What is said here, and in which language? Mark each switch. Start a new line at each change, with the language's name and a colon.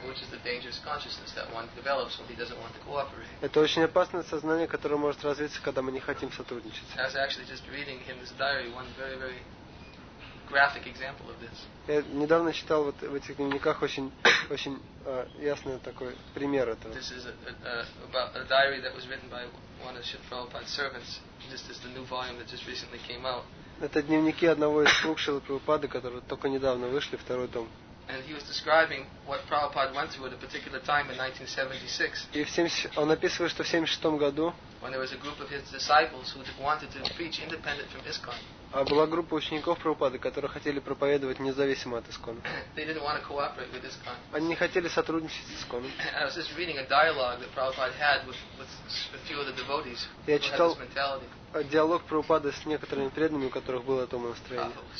English: Which is the dangerous consciousness that one develops when he doesn't want to cooperate.
Russian: Это очень опасное сознание, которое может развиться, когда мы не хотим сотрудничать.
English: I was actually just reading in his diary one very, very graphic example of this.
Russian: Я недавно читал вот в этих дневниках очень ясный такой пример этого.
English: This is a diary that was written by one of Srila Prabhupada's servants. This is the new volume that just recently came out.
Russian: Это дневники одного из слуг Шрилы Прабхупады, которые только недавно вышли, второй том.
English: And he was describing what Prabhupada went through at a particular time in 1976.
Russian: Он описывает, что в 76 году.
English: When there was a group of his disciples who wanted to preach independent from ISKCON.
Russian: А была группа учеников Прабхупады, которые хотели проповедовать независимо от ИСКОН.
English: They didn't want to cooperate with ISKCON.
Russian: Они не хотели сотрудничать с ИСКОН.
English: I was just reading a dialogue that Prabhupada had with a few of the devotees.
Russian: Я читал диалог Прабхупады с некоторыми преданными, у которых было то настроение.